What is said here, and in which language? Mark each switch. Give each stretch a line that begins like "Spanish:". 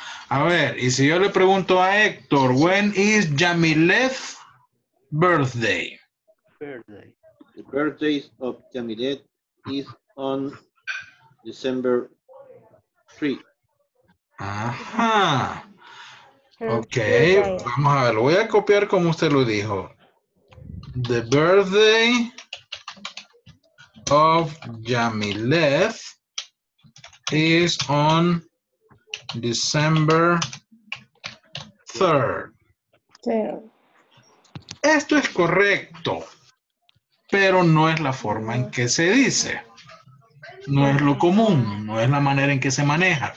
Spanish: A ver, y si yo le pregunto a Héctor,
English: when is Yamileth's birthday? The birthday of Yamileth is on December 3.
Spanish: Ajá. Okay, vamos a ver, lo voy a copiar como usted lo dijo.
English: The birthday of Yamileth is on December 3rd.
Spanish: Esto es correcto, pero no es la forma en que se dice. No es lo común, no es la manera en que se maneja.